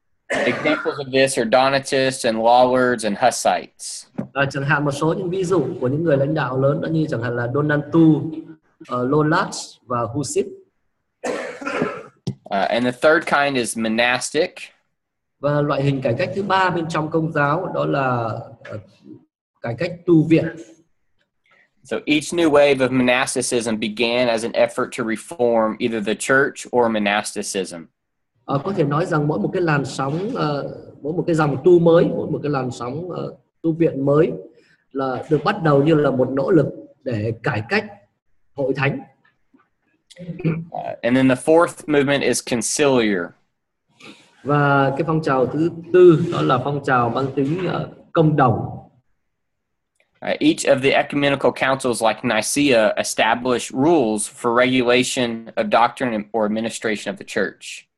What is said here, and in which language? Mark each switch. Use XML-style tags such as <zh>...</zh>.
<en>Examples of this are Donatists and Lollards and Hussites.</en> <vi>Chẳng hạn một số những ví dụ của những người lãnh đạo lớn đó như chẳng hạn là Donatu, Lollards và Hussites.</vi> <en>And the third kind is monastic.</en> <vi>Và loại hình cải cách thứ ba bên trong Công giáo đó là cải cách tu viện.</vi> <en>So each new wave of monasticism began as an effort to reform either the church or monasticism.</en> <vi>Có thể nói rằng mỗi một cái làn sóng, mỗi một cái dòng tu mới, mỗi một cái làn sóng tu viện mới là được bắt đầu như là một nỗ lực để cải cách hội thánh.</vi> <en>And then the fourth movement is conciliar.</en> <vi>Và cái phong trào thứ tư đó là phong trào mang tính công đồng.</vi> <en>Each of the ecumenical councils like Nicaea establish rules for regulation of doctrine or administration of the church.</en>